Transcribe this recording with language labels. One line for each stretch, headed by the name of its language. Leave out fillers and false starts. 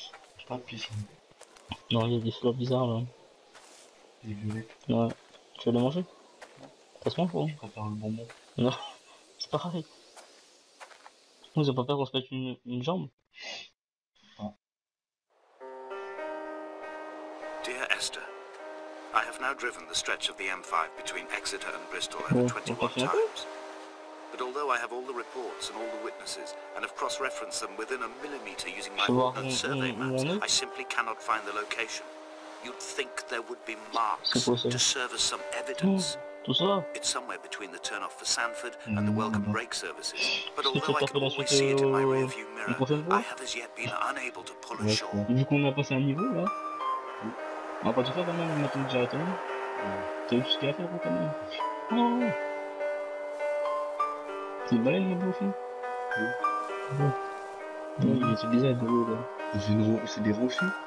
French: J'ai pas de pissenlits. Non, il y a des fleurs bizarres là. Des violettes. Ouais. Tu veux les manger? Non. Passe-moi quoi? Je préfère le bonbon. Non, c'est pareil. Vous avez pas peur qu'on se mette une jambe? Non.
English: Dear Esther, I have now driven the stretch of the M5 between Exeter and Bristol over 21 times. But although I have all the reports and all the witnesses, and have cross-referenced them within a millimeter using my own survey maps, I simply cannot find the location. You'd think there would be marks to serve as some evidence. It's somewhere between the turn-off for Sanford and the welcome break services. But although I can always see it in my rearview mirror, I have as yet been unable to pull ashore.
French: Vu qu'on a passé un niveau là, on va pas tout faire quand même, on a tout déjà atteint. T'as eu tout ce qu'il y a à faire quand même. C'est balèze le bouffin. Oui. Oui. Oui, c'est bizarre de l'eau là. C'est des rochers.